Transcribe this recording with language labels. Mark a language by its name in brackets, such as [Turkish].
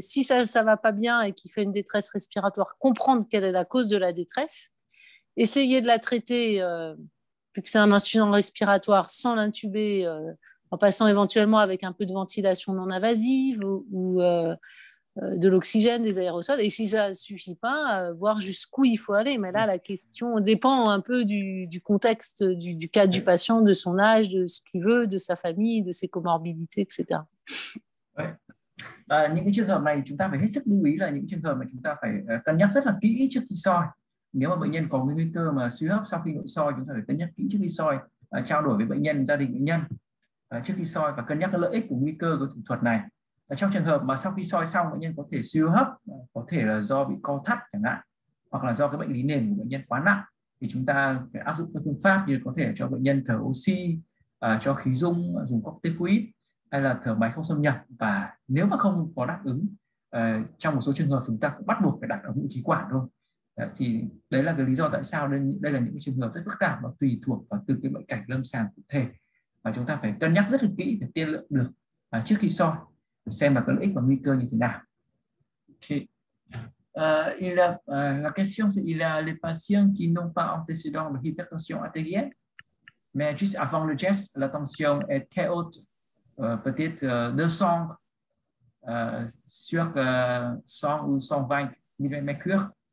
[French] Si ça va pas bien et qu'il fait une détresse respiratoire, comprendre quelle est la cause de la détresse, essayer de la traiter, vu que c'est un insuffisant respiratoire, sans l'intuber, en passant éventuellement avec un peu de ventilation non invasive ou de l'oxygène, des aérosols. Et si ça ne suffit pas, voir jusqu'où il faut aller. Mais là, la question dépend un peu du contexte, du cas du patient, de son âge, de ce qu'il veut, de sa famille, de ses comorbidités, etc. [Vietnamese] Những trường hợp này, chúng ta phải hết sức lưu ý là những trường hợp mà chúng ta phải cân nhắc rất là kỹ trước khi soi. Nếu mà bệnh nhân có nguy cơ mà suy hấp sau khi nội soi, chúng ta phải cân nhắc kỹ trước khi soi, trao đổi với bệnh nhân, gia đình bệnh nhân trước khi soi và cân nhắc các lợi ích của nguy cơ của thủ thuật này. Trong trường hợp mà sau khi soi xong bệnh nhân có thể suy hấp, có thể là do bị co thắt chẳng hạn, hoặc là do cái bệnh lý nền của bệnh nhân quá nặng, thì chúng ta phải áp dụng các phương pháp như có thể cho bệnh nhân thở oxy, cho khí dung, dùng corticoid, hay là thở máy không xâm nhập. Và nếu mà không có đáp ứng, trong một số trường hợp chúng ta cũng bắt buộc phải đặt ống nội khí quản thôi. Thì đấy là cái lý do tại sao đây là những trường hợp rất phức tạp và tùy thuộc vào từ cái bệnh cảnh lâm sàng cụ thể, và chúng ta phải cân nhắc rất là kỹ để tiên lượng được trước khi soi, xem là có lợi ích và nguy cơ như thế nào. [French] La question c'est il y a les patients qui n'ont pas antécédent de hypertension artérielle. mais juste avant le geste, la tension est très haute, peut-être 200 sur 100 ou 120 mmHg.